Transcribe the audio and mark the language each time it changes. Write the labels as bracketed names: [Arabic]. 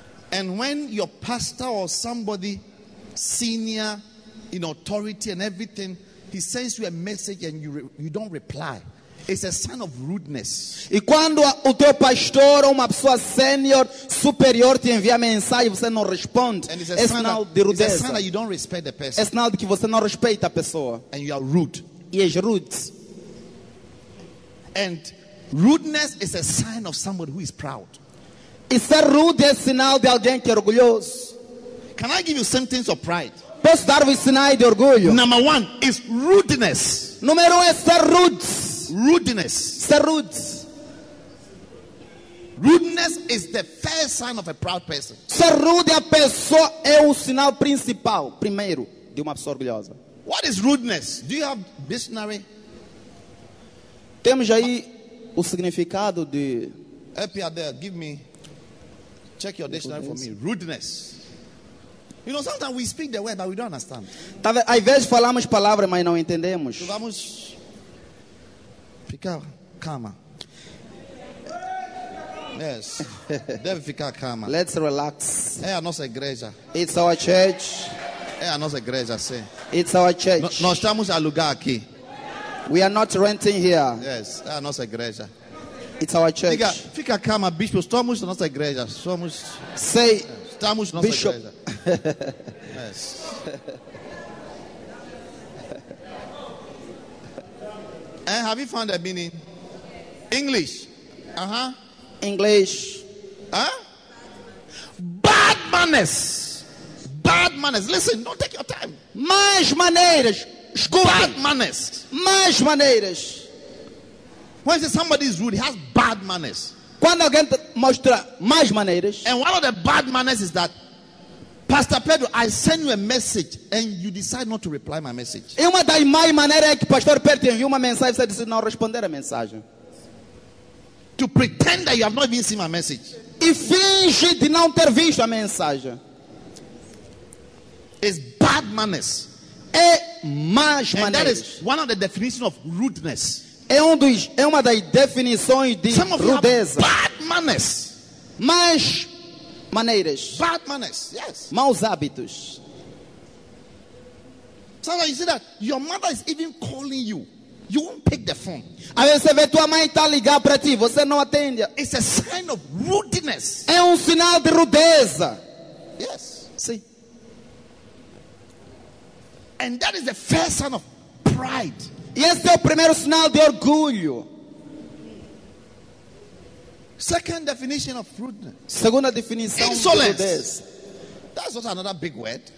[English] And when your pastor or somebody senior in authority and everything, he sends you a message and you don't reply, it's a sign of rudeness. [Portuguese] E quando o teu pastor ou uma pessoa senior superior te envia mensagem e você não responde, é sinal de rudeza. [English] It's a sign that you don't respect the person. [Portuguese] É sinal de que você não respeita a pessoa. [English] And you are rude. [Portuguese] E és rude. [English] And rudeness is a sign of somebody who is proud. [Portuguese] E ser rude é sinal de alguém que é orgulhoso. [English] Can I give you symptoms of pride? [Portuguese] Posso dar um sinal de orgulho? [English] Number one is rudeness. [Portuguese] Número um é ser rude. [English] Rudeness. [Portuguese] Ser rude. [English] Rudeness is the first sign of a proud person. [Portuguese] Ser rude a pessoa é o sinal principal, primeiro, de uma pessoa orgulhosa. [English] What is rudeness? Do you have dictionary? [Portuguese] Temos aí o significado de... [English] Help you out there, give me... Check your dictionary for me. Rudeness. You know, sometimes we speak the word, but we don't understand. [Portuguese] Às vezes falamos palavras, mas não entendemos. Vamos ficar calma. [English] Yes. [Portuguese] Deve ficar calma. [English] Let's relax. [Portuguese] É a nossa igreja. [English] It's our church. [Portuguese] É a nossa igreja, sim. [English] It's our church. [Portuguese] Nós estamos a alugar aqui. [English] We are not renting here. Yes. [Portuguese] É a nossa igreja. [English] It's our church. [Portuguese] Fica calma, bispo. Estamos na nossa igreja. Somos. [English] Say. [Portuguese] Estamos na nossa [English] bishop. [Portuguese] Igreja. [English] Yes. And have you found the meaning? English. Uh-huh. English. Huh? Bad manners. Bad manners. Listen, don't take your time. [Portuguese] Más maneiras. [English] Bad manners. [Portuguese] Más maneiras. [English] When you say somebody is rude, he has bad manners. [Portuguese] Quando alguém mostra más maneiras. [English] And one of the bad manners is that, Pastor Pedro, I send you a message and you decide not to reply my message. [Portuguese] E uma das más maneiras é que Pastor Pedro te envia uma mensagem e você decide não responder a mensagem. [English] To pretend that you have not even seen my message. [Portuguese] E finge de não ter visto a mensagem. [English] It's bad manners. [Portuguese] É más maneiras. [English] And that is one of the definitions of rudeness. [Portuguese] É uma das definições de [English] some of [Portuguese] rudeza. [English] Bad manners. [Portuguese] Más maneiras. [English] Bad manners, yes. [Portuguese] Maus hábitos. [English] Sometimes you see that your mother is even calling you. You won't pick the phone. [Portuguese] Aí você vê tua mãe tá ligar para ti, você não atende. [English] It's a sign of rudeness. [Portuguese] É sinal de rudeza. [English] Yes. [Portuguese] Sim. [English] And that is the first sign of pride. [Portuguese] E esse é o primeiro sinal de orgulho. [English] Second definition of rudeness. [Portuguese] Segunda definição [English] insolence. [Portuguese] De rudeza. [English] That's also another big word.